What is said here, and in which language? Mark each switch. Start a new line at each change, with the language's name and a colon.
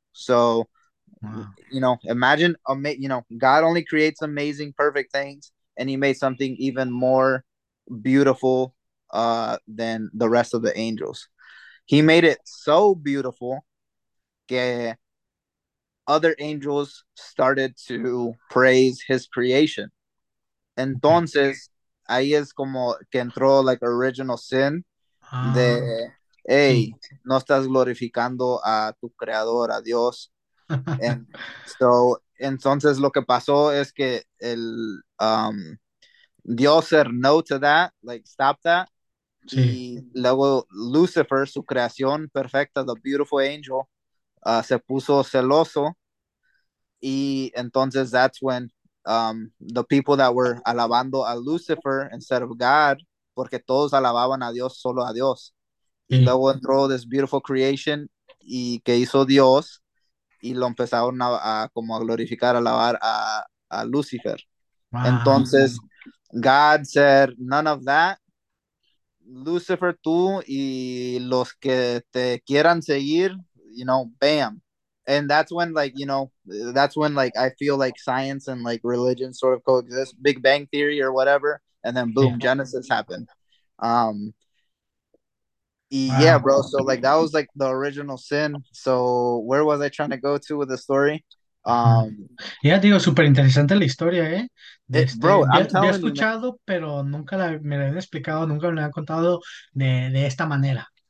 English: So, imagine, God only creates amazing, perfect things, and he made something even more beautiful than the rest of the angels. He made it so beautiful that other angels started to praise his creation.
Spanish: Entonces, ahí es como que entró
English: like original sin
Spanish: de, hey, no estás glorificando a tu creador, a Dios.
English: And so,
Spanish: entonces lo que pasó es que el Dios
English: said no to that, like stop that.
Spanish: Y luego Lucifer, su creación perfecta,
English: the beautiful angel,
Spanish: se puso celoso. Y entonces
English: that's when the people that were
Spanish: alabando a Lucifer
English: instead of God,
Spanish: porque todos alababan a Dios, solo a Dios. Y luego entró
English: this beautiful creation
Spanish: y que hizo Dios y lo empezaron a como a glorificar, a alabar a Lucifer. Entonces,
English: God said, none of that.
Spanish: Lucifer, tú y los que te quieran seguir, bam.
English: And that's when, that's when, like, I feel like science and like religion sort of coexist, Big Bang Theory or whatever. And then, boom, Genesis happened. Y yeah, bro. So, like, that was like the original sin. So, where was I trying to go to with the story?
Spanish: Ya digo, súper interesante la historia, ¿eh?
English: Bro, I'm
Spanish: Había
English: telling you, man.
Spanish: escuchado, pero nunca me la han explicado, nunca me la han contado de esta manera.